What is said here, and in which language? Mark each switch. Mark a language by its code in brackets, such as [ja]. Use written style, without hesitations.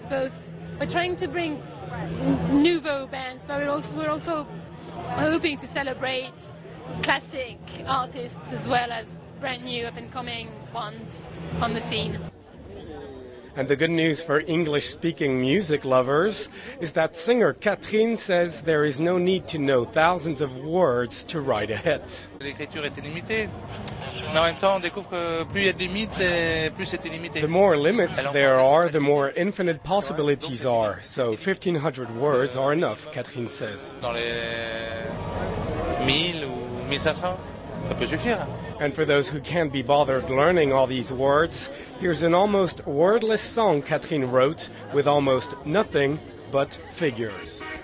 [en] Both, we're trying to bring nouveau bands, but we're also hoping to celebrate classic artists as well as brand new up-and-coming ones on the scene. And the good news for English-speaking music lovers is that singer Catherine says there is no need to know thousands of words to write a hit. [fr] L'écriture est illimitée. Mais en même temps, on découvre que plus il y a de limites, plus c'est illimité. [en] The more limits there are, the more infinite possibilities are. So 1,500 words are enough, Catherine says. [fr] Dans les 1,000 ou 1,500. [en] And for those who can't be bothered learning all these words, here's an almost wordless song Catherine wrote with almost nothing but figures.